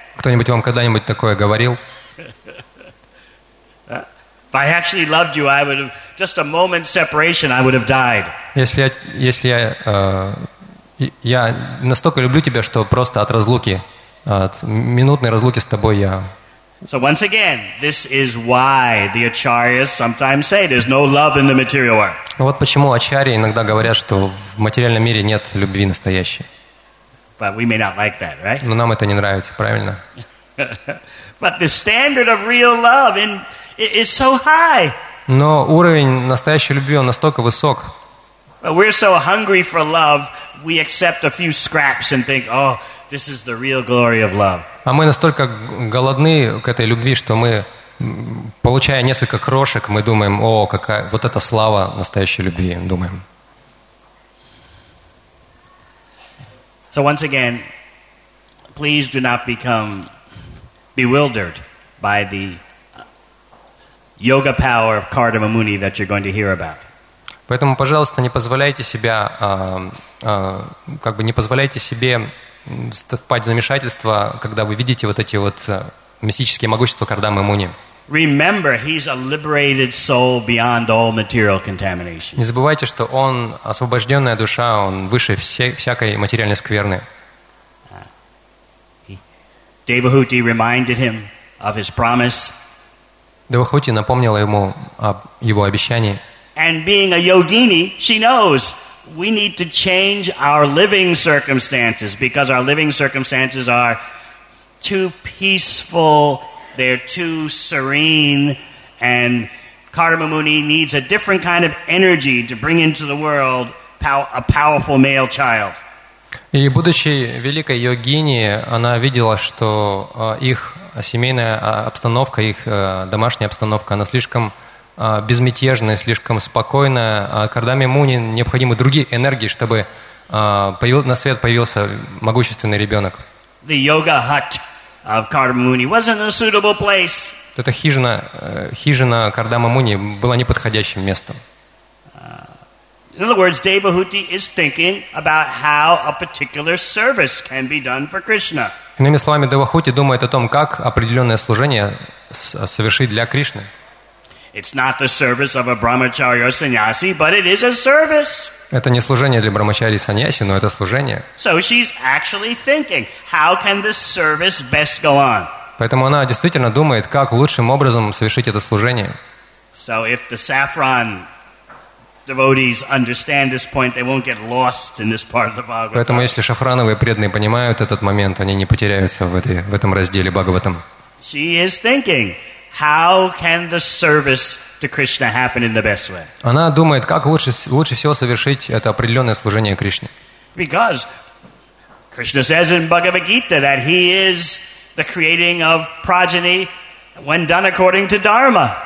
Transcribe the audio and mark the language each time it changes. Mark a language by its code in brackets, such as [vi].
[ru] Кто-нибудь вам когда-нибудь такое говорил? [en] If I actually loved you, I would have just a moment separation, I would have died. [ru] Если я настолько люблю тебя, что просто от разлуки, от минутной разлуки с тобой я. [en] So once again, this is why the acharyas sometimes say there's no love in the material world. [ru] Вот почему ачарьи иногда говорят, что в материальном мире нет любви настоящей. [en] But we may not like that, right? [ru] Но нам это не нравится, правильно? [en] But the standard of real love in is so high. [ru] Но уровень настоящей любви он настолько высок. [en] But we're so hungry for love, we accept a few scraps and think, oh, this is the real glory of love. [ru] А мы настолько голодны к этой любви, что мы, получая несколько крошек, мы думаем, о, какая вот это слава настоящей любви, думаем. [en] So once again, please do not become bewildered by the yoga power of Kardama Muni that you're going to hear about. [ru] Поэтому, пожалуйста, не позволяйте себя, как бы не позволяйте себе вступать в замешательство, когда вы видите вот эти вот мистические могущества Кардамы Муни. [en] Remember, he's a liberated soul beyond all material contamination. [ru] Не забывайте, что он освобожденная душа, он выше всякой материальной скверны. [en] Devahuti reminded him of his promise. [ru] Devahuti напомнила ему об его обещании. [en] And being a yogini, she knows we need to change our living circumstances because our living circumstances are too peaceful, they're too serene, and Kardama Muni needs a different kind of energy to bring into the world a powerful male child. [ru] И будучи великой йогини, она видела, что их семейная обстановка, их домашняя обстановка, она слишком безмятежная, слишком спокойная. Кардаме Муни необходимы другие энергии, чтобы на свет появился могущественный ребенок. [en] The yoga hut of Kardama Muni wasn't a suitable place. [ru] Эта хижина Кардама Муни была неподходящим местом. [en] In other words, Devahuti is thinking about how a particular service can be done for Krishna. [ru] Иными словами, Девахути думает о том, как определенное служение совершить для Кришны. [en] It's not the service of a brahmacharya or sannyasi, but it is a service. [ru] Это не служение для брахмачари и саньяси, но это служение. [en] So she's actually thinking, how can this service best go on? [ru] Поэтому она действительно думает, как лучшим образом совершить это служение. [en] So if the saffron devotees understand this point, they won't get lost in this part of the Bhagavatam. [ru] Поэтому если шафрановые преданные понимают этот момент, они не потеряются в этом разделе Бхагаватам. [en] She is thinking, how can the service to Krishna happen in the best way? [ru] Она думает, как лучше всего совершить это определенное служение Кришне. [en] Because Krishna says in Bhagavad Gita that he is the creating of progeny when done according to dharma.